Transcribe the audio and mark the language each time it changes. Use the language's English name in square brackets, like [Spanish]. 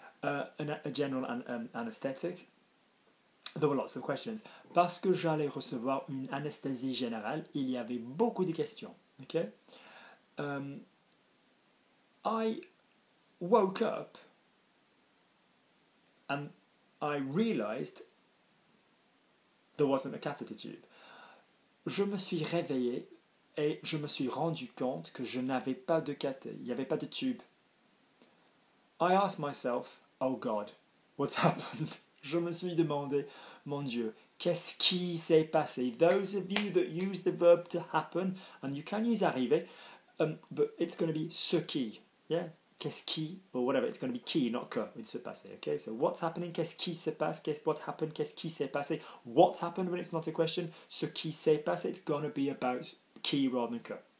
[English] Because I was going to get a general anesthetic, there were lots of questions. [French] Parce que j'allais recevoir une anesthésie générale, il y avait beaucoup de questions. Okay. [English] I woke up and I realized there wasn't a catheter tube. [French] Je me suis réveillé. Et je me suis rendu compte que je n'avais pas de cathé, il n'y avait pas de tube. [English] I asked myself, oh God, what's happened? [French] Je me suis demandé, mon Dieu, qu'est-ce qui s'est passé? [English] Those of you that use the verb to happen, and you can use arriver, but it's going to be ce qui, yeah? Qu'est-ce qui, or whatever, it's going to be qui, not que, it's se passer, okay? So what's happening, [French] qu'est-ce qui se passe, [English] qu'est-ce, what happened, [French] qu'est-ce qui s'est passé? [English] What's happened when it's not a question, [French] ce qui s'est passé, [English] it's going to be about key rather than cut.